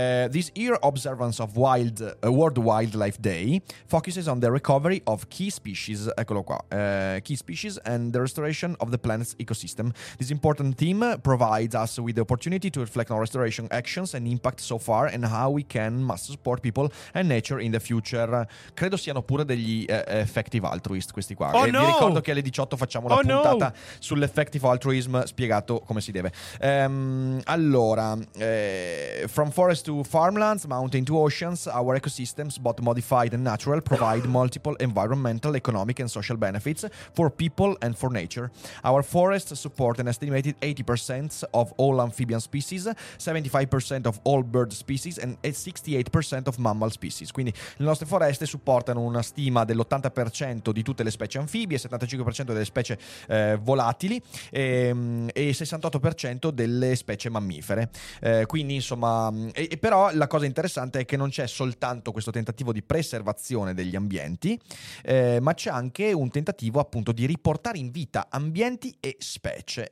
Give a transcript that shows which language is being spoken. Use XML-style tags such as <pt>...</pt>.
<en>This year observance of World Wildlife Day focuses on the recovery of key species,</en> <it>eccolo qua,</it> <en>key species and the restoration of the planet's ecosystem. This important theme provides us with the opportunity to reflect on restoration actions and impact so far and how we can must support people and nature in the future.</en> <it>Credo siano pure degli effective altruist questi qua.</it> <en>Oh, no!</en> <it>Vi ricordo che alle 18 facciamo la puntata sull'effective altruism spiegato come si deve.</it> <en>From forest to farmlands, mountain to oceans, our ecosystems, both modified and natural, provide multiple environmental, economic and social benefits for people and for nature. Our forests support an estimated 80% of all amphibian species, 75% of all bird species and 68% of mammal species.</en> <it>Quindi le nostre foreste supportano una stima del 80% di tutte le specie anfibie, 75% delle specie volatili e 68% delle specie mammifere. Quindi, insomma, però la cosa interessante è che non c'è soltanto questo tentativo di preservazione degli ambienti, ma c'è anche un tentativo, appunto, di riportare in vita ambienti e specie.</it>